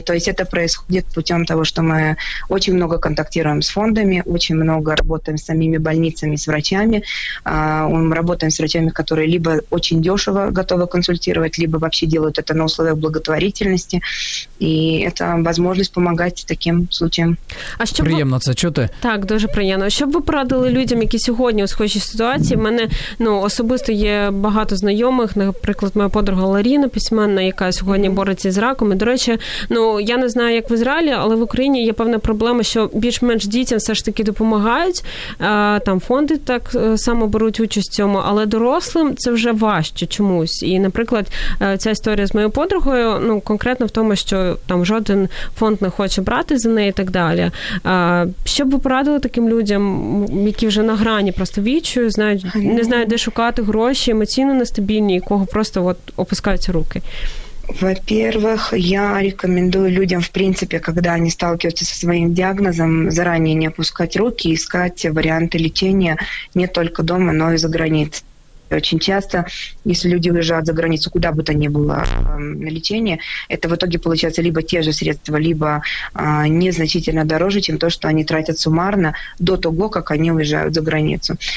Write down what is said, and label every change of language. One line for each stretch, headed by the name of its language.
Russian: То есть это происходит путем того, что мы очень много контактируем с фондами, очень много работаем с самими больницами, с врачами. Мы работаем с врачами, которые либо очень дешево готовы консультировать, либо вообще делают это на условиях благотворительности. И это возможность помогать таким случаям.
Ukrainian: А щоб... Приємно це чути. Так, дуже приємно. Що б ви порадили людям, які сьогодні у схожій ситуації? В мене, ну, особисто є багато знайомих, наприклад, моя подруга Ларіна, письменна, яка сьогодні бореться з раком, дитаком. І, до речі, ну, я не знаю, як в Ізраїлі, але в Україні є певна проблема, що більш-менш дітям все ж таки допомагають, там фонди так само беруть участь в цьому, але дорослим це вже важче чомусь. І, наприклад, ця історія з моєю подругою, ну, конкретно в тому, що там жоден фонд не хоче брати за неї і так далі. Що б ви порадили таким людям, які вже на грані просто віччю, знають, не знають, де шукати гроші, емоційно нестабільні, і кого просто от опускаються руки?
Russian: Во-первых, я рекомендую людям, в принципе, когда они сталкиваются со своим диагнозом, заранее не опускать руки и искать варианты лечения не только дома, но и за границей. Очень часто, если люди уезжают за границу, куда бы то ни было на лечение, это в итоге получается либо те же средства, либо незначительно дороже, чем то, что они тратят суммарно до того, как они уезжают за границу.